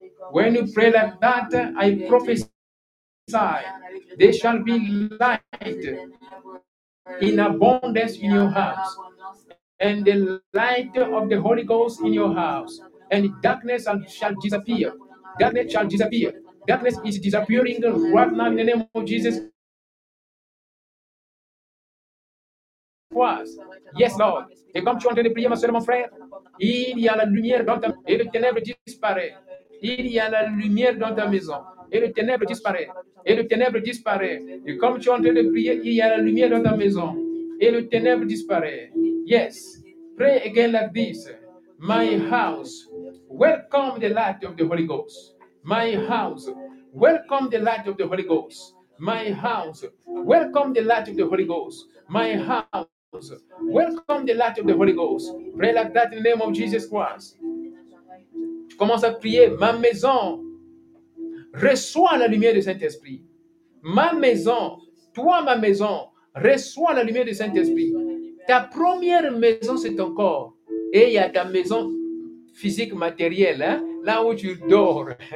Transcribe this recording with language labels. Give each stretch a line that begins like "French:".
English: When you pray like that, I prophesy, there shall be light in abundance in your house, and the light of the Holy Ghost in your house, and darkness shall disappear. Darkness shall disappear. Darkness is disappearing right now in the name of Jesus Christ. Yes, Lord.
French: Et comme tu entends les prières, ma soeur et mon frère, il y a la lumière dans ta maison et les ténèbres disparaissent. Il y a la lumière dans ta maison et les ténèbres disparaissent. Et les ténèbres disparaissent. Et comme tu entends les prières, il y a la lumière dans ta maison et les ténèbres disparaissent.
English: Yes. Pray again like this. My house, welcome the light of the Holy Ghost. My house, welcome the light of the Holy Ghost. My house, welcome the light of the Holy Ghost. My house, welcome the light of the Holy Ghost. Pray like that in the name of Jesus Christ.
French: Tu commences à prier, ma maison, reçois la lumière du Saint-Esprit. Ma maison, toi ma maison, reçois la lumière du Saint-Esprit. Ta première maison, c'est ton corps. Et il y a ta maison physique, matérielle, hein, là où tu dors.